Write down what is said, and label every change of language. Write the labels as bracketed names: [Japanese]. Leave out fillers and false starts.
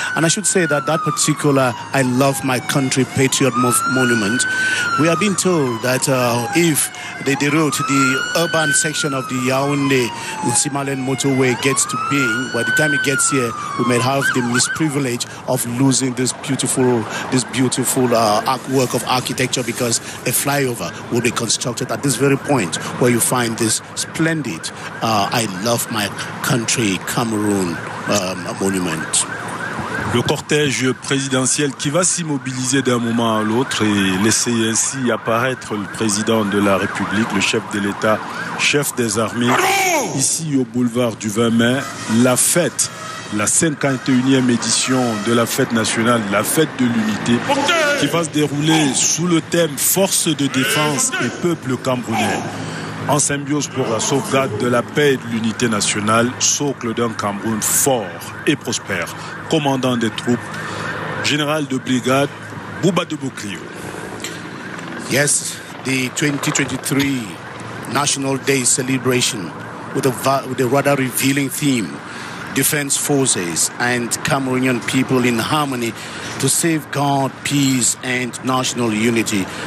[English] And I should say that particular I Love My Country Patriot Monument, we have been told that if the route, the urban section of the Yaoundé Simalen motorway gets to being, by the time it gets here, we may have the misprivilege of losing this beautiful work of architecture, because a flyover will be constructed at this very point where you find this splendid I Love My Country Cameroon monument. [French] Le cortège présidentiel qui va s'immobiliser d'un moment à l'autre et laisser ainsi apparaître le président de la République, le chef de l'État, chef des armées, ici au boulevard du 20 mai, la fête, la 51e édition de la fête nationale, la fête de l'unité, qui va se dérouler sous le thème « Force de défense et peuple camerounais ». En symbiose pour la sauvegarde de la paix et de l'unité nationale, socle d'un Cameroun fort et prospère. Commandant des troupes, général de brigade, Bouba de Boukrio. [English] Yes, the 2023 National Day celebration with a rather revealing theme, defense forces and Cameroonian people in harmony to safeguard peace and national unity.